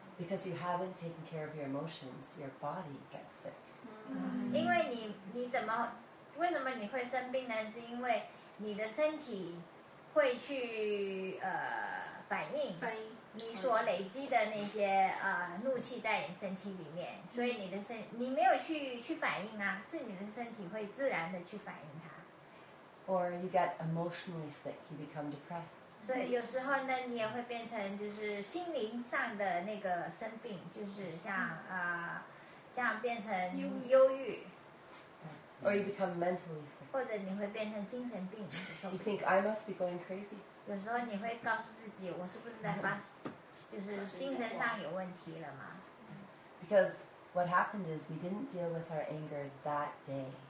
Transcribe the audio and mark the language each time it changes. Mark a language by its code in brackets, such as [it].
[en] Because you haven't taken care of your emotions, your body gets sick. Or you get emotionally sick, you become depressed. [zh] 所以有时候呢，你也会变成就是心灵上的那个生病，就是像变成忧郁。 [en] Or you become mentally sick. [zh] 或者你会变成精神病。 [en] You think I must be going crazy. [zh] 有时候你会告诉自己，我是不是在发，就是精神上有问题了吗？ [en] Because what happened is we didn't deal with our anger that day.